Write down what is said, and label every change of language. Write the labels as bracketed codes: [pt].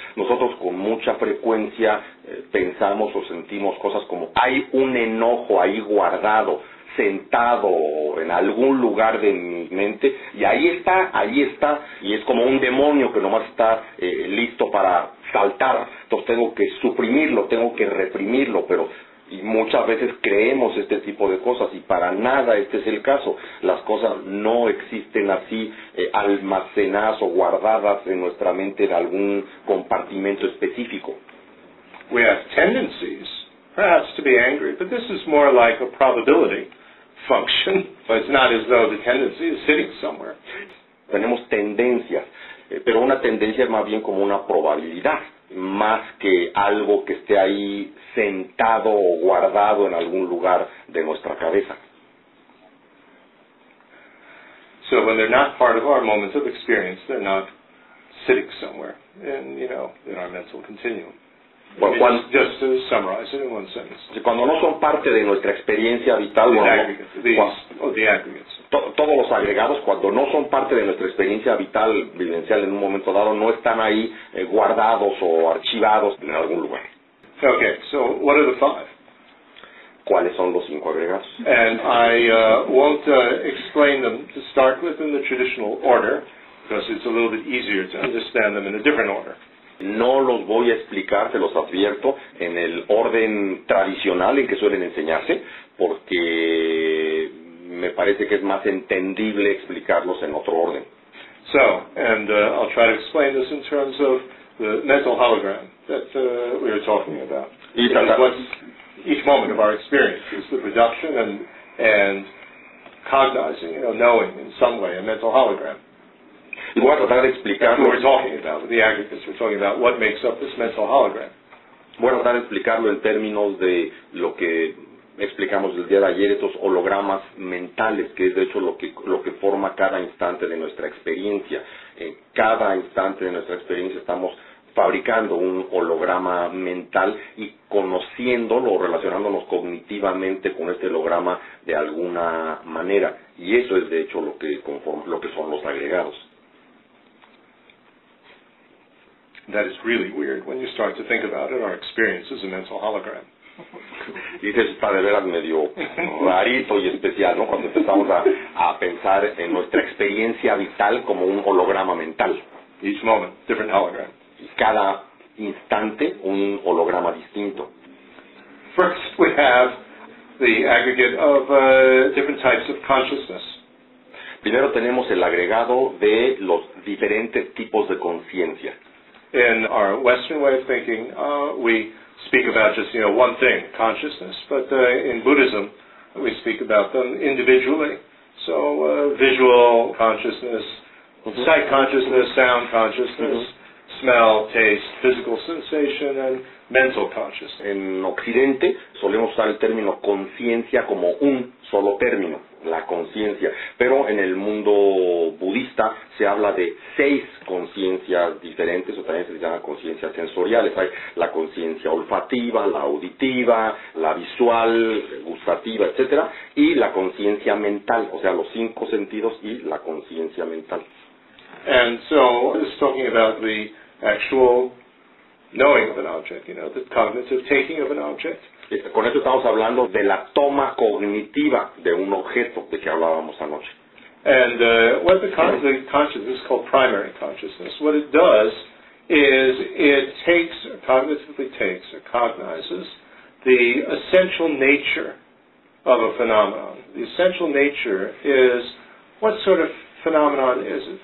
[es] Nosotros con mucha frecuencia pensamos o sentimos cosas como hay un enojo ahí guardado, sentado en algún lugar de mi mente, y ahí está, y es como un demonio que nomás está listo para saltar, entonces tengo que suprimirlo, tengo que reprimirlo, pero y muchas veces creemos este tipo de cosas, y para nada este es el caso. Las cosas no existen así, almacenadas o guardadas en nuestra mente en algún compartimento específico. [en] We have tendencies, perhaps, to be angry, but this is more like a probability function, but it's not as though the tendency is sitting somewhere. [es] Tenemos tendencias, pero una tendencia es más bien como una probabilidad, más que algo que esté ahí sentado o guardado en algún lugar de nuestra cabeza. [en] So when they're not part of our moments of experience, they're not sitting somewhere in, you know, in our mental continuum. Well, when, just to summarize it in one sentence. [es] Cuando no son parte de nuestra experiencia vital, [en] the [es] bueno, [en] aggregates, [es] todos los agregados, cuando no son parte de nuestra experiencia vital, vivencial en un momento dado, no están ahí guardados o archivados en algún lugar. [en] Okay, so what are the five? [es] ¿Cuáles son los cinco agregados? [en] And I won't explain them to start with in the traditional order, because it's a little bit easier to understand them in a different order. [es] No los voy a explicar, te los advierto, en el orden tradicional en que suelen enseñarse, porque me parece que es más entendible explicarlos en otro orden. [en] So, and I'll try to explain this in terms of the mental hologram that we were talking about. Each moment of our experience is the production and cognizing, you know, knowing in some way a mental hologram. [es] Y voy a tratar de explicarlo. [en] We're talking about the aggregates. We're talking about what makes up this mental hologram. [es] Voy a tratar de explicarlo en términos de lo que explicamos el día de ayer, estos hologramas mentales, que es de hecho lo que forma cada instante de nuestra experiencia. En cada instante de nuestra experiencia estamos fabricando un holograma mental y conociéndolo, relacionándonos cognitivamente con este holograma de alguna manera. Y eso es de hecho lo que son los agregados. [en] That is really weird when you start to think about it. Our experience is a mental hologram. [es] Dices, está de veras medio rarito y especial, ¿no? Cuando empezamos a pensar en nuestra experiencia vital como un holograma mental. [en] Each moment, different hologram. [es] Y cada instante, un holograma distinto. [en] First, we have the aggregate of different types of consciousness. [es] Primero tenemos el agregado de los diferentes tipos de conciencia. [en] In our Western way of thinking, we speak about just, you know, one thing, consciousness. But in Buddhism, we speak about them individually. So visual consciousness, sight consciousness, sound consciousness, smell, taste, physical sensation, and mental consciousness. [es] En Occidente, solemos usar el término conciencia como un solo término, la conciencia. Pero en el mundo budista se habla de seis conciencias diferentes, o también se llama conciencias sensoriales. Hay la conciencia olfativa, la auditiva, la visual, gustativa, etcétera, y la conciencia mental, o sea, los cinco sentidos y la conciencia mental. [en] And so, it's talking about the actual knowing of an object, you know, the cognitive taking of an object. [es] Con esto estamos hablando de la toma cognitiva de un objeto de que hablábamos anoche. [en] And what the consciousness is called primary consciousness. What it does is it cognizes the essential nature of a phenomenon. The essential nature is, what sort of phenomenon is it?